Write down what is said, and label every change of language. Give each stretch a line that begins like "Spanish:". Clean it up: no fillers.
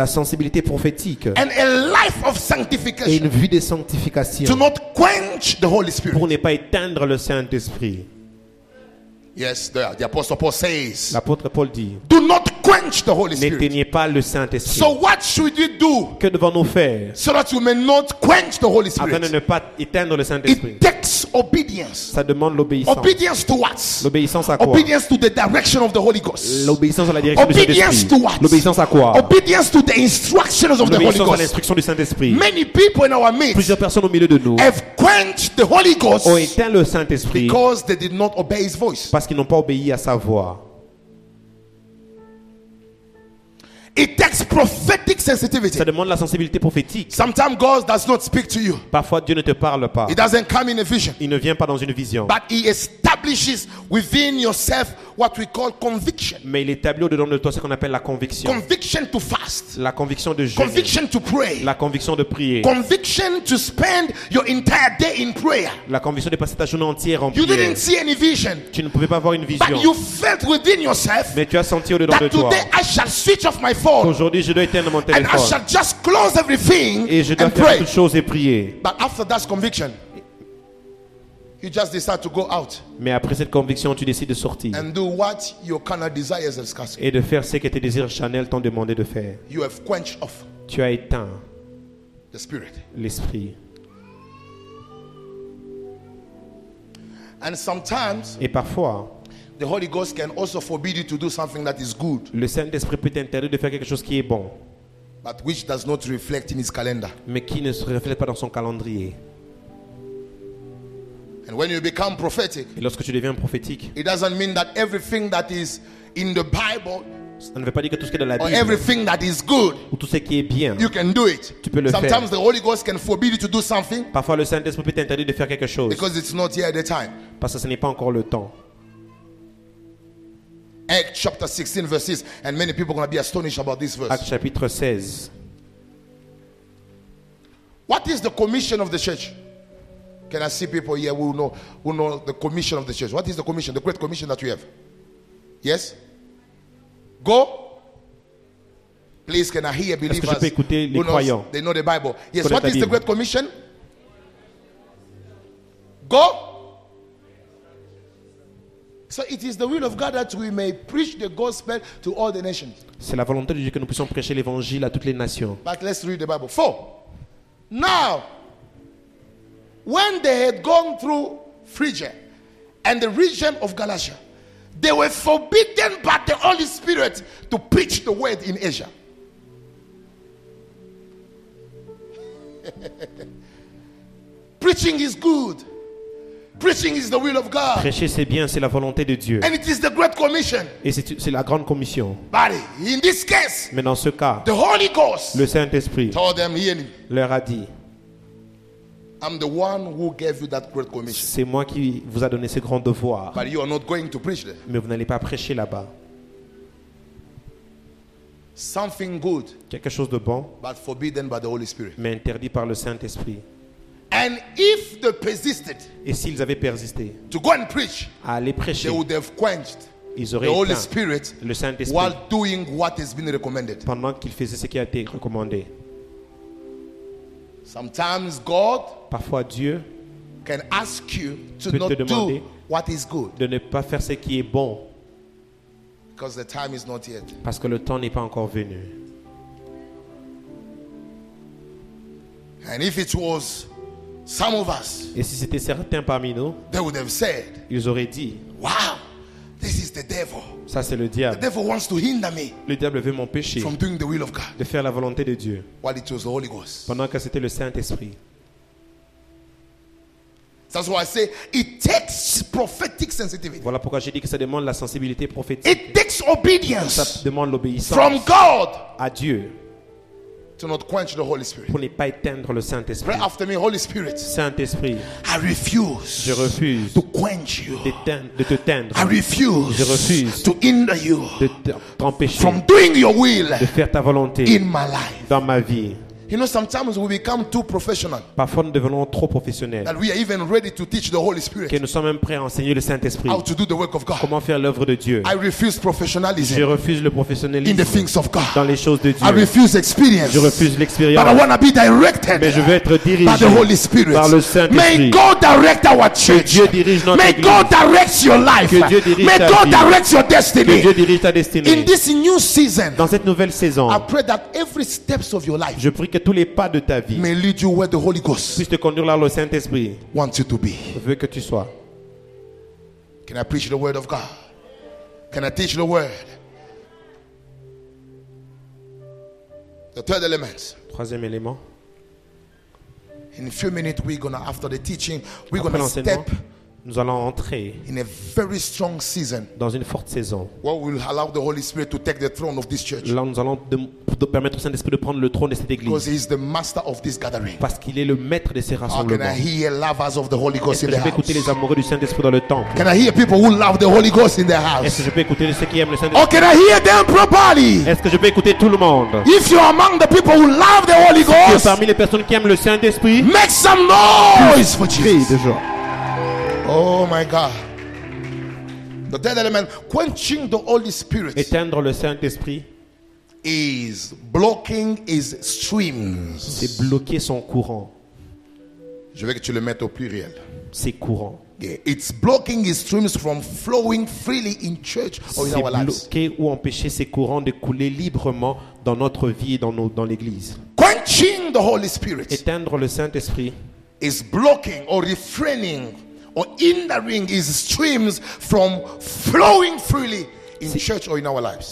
French: La sensibilité prophétique.
English: And a life of sanctification.
French: Et une vie de sanctification.
English: To not quench the Holy Spirit.
French: Pour ne pas éteindre le Saint-Esprit.
English: Yes, the Apostle Paul says.
French: L'apôtre Paul dit.
English: Do not quench the Holy Spirit.
French: N'éteignez pas le Saint-Esprit.
English: So what should we do?
French: Que devons-nous faire?
English: So that you may not quench the Holy Spirit.
French: Afin de ne pas éteindre le Saint-Esprit.
English: It takes obedience.
French: Ça demande l'obéissance.
English: Obedience to what?
French: L'obéissance à quoi?
English: Obedience to the direction of the Holy Ghost.
French: L'obéissance à la direction
English: obedience
French: du Saint-Esprit.
English: Obedience to what?
French: L'obéissance à quoi?
English: Obedience to the instructions of the Holy Ghost.
French: L'obéissance à l'instruction du Saint-Esprit.
English: Many people in our midst.
French: Plusieurs personnes au milieu de nous.
English: Have quenched the Holy Ghost.
French: Ont éteint le Saint-Esprit.
English: Because they did not obey His voice.
French: Parce qu'ils n'ont pas obéi à sa voix.
English: It takes prophetic sensitivity.
French: Ça demande la sensibilité prophétique.
English: Sometimes God does not speak to you.
French: Parfois Dieu ne te parle pas.
English: He doesn't come in a vision.
French: Il ne vient pas dans une vision.
English: But he establishes within yourself what we call conviction.
French: Mais il établit au-dedans de toi ce qu'on appelle la conviction.
English: Conviction to fast.
French: La conviction de jeûner.
English: Conviction to pray.
French: La conviction de prier.
English: Conviction to spend your entire day in prayer.
French: La conviction de passer ta journée entière en
English: you
French: prière.
English: You didn't see any vision.
French: Tu ne pouvais pas voir une vision.
English: But you felt within yourself.
French: Mais tu as senti au-dedans de toi.
English: That today I shall switch off my
French: aujourd'hui, je dois éteindre mon téléphone.
English: And I shall just close everything
French: et je dois
English: and
French: faire
English: pray.
French: Toutes choses et prier.
English: But after that conviction, you just decide to go out.
French: Mais après cette conviction, tu décides de sortir.
English: And do what your carnal desires have asked.
French: Et de faire ce que tes désirs charnels t'ont demandé de faire.
English: You have quenched off.
French: Tu as éteint
English: the spirit.
French: L'esprit.
English: And sometimes.
French: Et parfois.
English: The Holy Ghost can also forbid you to do something that is good.
French: Le Saint-Esprit peut t'interdire de faire quelque chose qui est bon.
English: But which does not reflect in his calendar.
French: Mais qui ne se reflète pas dans son calendrier.
English: And when you become prophetic,
French: et lorsque tu deviens prophétique,
English: it doesn't mean that everything that is in the Bible,
French: ça ne veut pas dire que tout ce qui est dans la Bible,
English: or everything that is good,
French: ou tout ce qui est bien,
English: you can do it.
French: Tu peux le
English: sometimes
French: faire.
English: The Holy Ghost can forbid you to do something.
French: Parfois le Saint-Esprit peut t'interdire de faire quelque chose.
English: Because it's not yet the time.
French: Parce que ce n'est pas encore le temps.
English: Acts chapter 16 verse 6 and many people are going to be astonished about this verse.
French: Acts chapitre 16.
English: What is the commission of the church? Can I see people here who know the commission of the church? What is the commission? The great commission that we have. Yes? Go. Please, can I hear believers?
French: Est-ce que je peux écouter les croyants?
English: They know the Bible. Yes, what is the great commission? Go. So it is the will of God that we may preach the gospel to all the nations.
French: C'est la volonté de Dieu que nous puissions prêcher l'évangile à toutes les nations.
English: But let's read the Bible. Four. Now, when they had gone through Phrygia and the region of Galatia, they were forbidden by the Holy Spirit to preach the word in Asia. Preaching is good. Preaching is the will of God.
French: Prêcher c'est bien, c'est la volonté de Dieu.
English: And it is the great commission.
French: Et c'est la grande commission.
English: But in this case,
French: mais dans ce cas,
English: the Holy Ghost,
French: le Saint-Esprit,
English: told them, hear me,
French: leur a dit,
English: I'm the one who gave you that great commission.
French: C'est moi qui vous a donné ce grand devoir.
English: But you are not going to preach there.
French: Mais vous n'allez pas prêcher là-bas.
English: Something good,
French: quelque chose de bon,
English: but forbidden by the Holy Spirit.
French: Mais interdit par le Saint-Esprit.
English: And if they persisted,
French: et s'ils avaient persisté,
English: to go and preach,
French: à aller prêcher,
English: they would have quenched
French: ils auraient
English: the Holy Spirit,
French: le Saint-Esprit,
English: while doing what has been recommended.
French: Pendant qu'ils faisaient ce qui a été recommandé.
English: Sometimes God,
French: parfois Dieu,
English: can ask you to
French: peut
English: not
French: te demander
English: do what is good,
French: de ne pas faire ce qui est bon,
English: because the time is not yet.
French: Parce que le temps n'est pas encore venu.
English: And if it was some of us,
French: et si c'était certains parmi nous,
English: they would have said,
French: ils auraient dit,
English: wow, this is the devil.
French: Ça c'est le diable.
English: The devil wants to hinder me.
French: Le diable veut m'empêcher
English: from doing the will of God.
French: De faire la volonté de Dieu.
English: While it was the Holy Ghost.
French: Pendant que c'était le Saint-Esprit.
English: That's why I say it takes prophetic sensitivity.
French: Voilà pourquoi j'ai dit que ça demande la sensibilité prophétique.
English: It takes obedience.
French: Ça demande l'obéissance
English: from God
French: à Dieu.
English: To not quench the Holy Spirit.
French: Pour ne pas éteindre le Saint-Esprit.
English: Pray after me, Holy Spirit.
French: Saint-Esprit.
English: I refuse.
French: Je refuse.
English: To quench you.
French: De te teindre.
English: I refuse.
French: Je refuse.
English: To hinder you.
French: De t'empêcher.
English: From doing your will.
French: De faire ta volonté.
English: In my life.
French: Dans ma vie.
English: You know, sometimes we become too professional.
French: Parfois, nous devenons trop professionnels.
English: That we are even ready to teach the Holy Spirit.
French: Que nous sommes même prêts à enseigner le Saint-Esprit.
English: How to do the work of God.
French: Comment faire l'œuvre de Dieu.
English: I refuse professionalism.
French: Je refuse le professionnalisme.
English: In the things of God.
French: Dans les choses de Dieu.
English: I refuse experience.
French: Je refuse l'expérience.
English: But I want to be directed.
French: Mais je veux être dirigé.
English: By the Holy Spirit.
French: Par le Saint-Esprit.
English: May God direct our church.
French: Que Dieu dirige notre
English: May
French: église.
English: May God direct your life.
French: Que Dieu dirige
English: May
French: ta
English: God
French: vie.
English: Direct your destiny.
French: Que Dieu dirige ta destinée.
English: In this new season.
French: Dans cette nouvelle saison.
English: I pray that every steps of your life.
French: Je prie que tous les pas de ta vie puissent te conduire là où le Saint-Esprit
English: wants you to be.
French: Veut que tu sois.
English: Can I preach the word of God? Can I teach the word? The third element.
French: Troisième élément.
English: In a few minutes, we're gonna after the teaching, we're gonna step.
French: Nous allons entrer
English: in a very strong season.
French: Dans une forte saison.
English: Where we'll allow the Holy Spirit to take the throne of this church.
French: Là, nous allons de permettre au Saint-Esprit de prendre le trône de cette église.
English: Because he is the master of this gathering.
French: Parce qu'il est le maître de ces rassemblements.
English: Can I hear lovers of the Holy Ghost in the house?
French: Je peux écouter les amoureux du Saint-Esprit dans le temple.
English: Can I hear people who love the Holy Ghost in their house?
French: Est-ce que je peux écouter ceux qui aiment le Saint-Esprit?
English: Or can I hear them properly?
French: Est-ce que je peux écouter tout le monde?
English: If you are among the people who love the Holy Ghost,
French: si tu es parmi les personnes qui aiment le Saint-Esprit,
English: make some noise for Jesus. Oh my God. The third element, quenching the Holy Spirit.
French: Éteindre le Saint-Esprit.
English: Is blocking his streams.
French: C'est bloquer son courant. Je veux que tu le mettes au pluriel. C'est courant.
English: Yeah. It's blocking his streams from flowing freely in church or in our lives.
French: C'est bloquer ou empêcher ses courants de couler librement dans notre vie et dans l'église.
English: Quenching the Holy Spirit.
French: Éteindre le Saint-Esprit.
English: Is blocking or refraining or hindering his streams from flowing freely in the church or in our lives.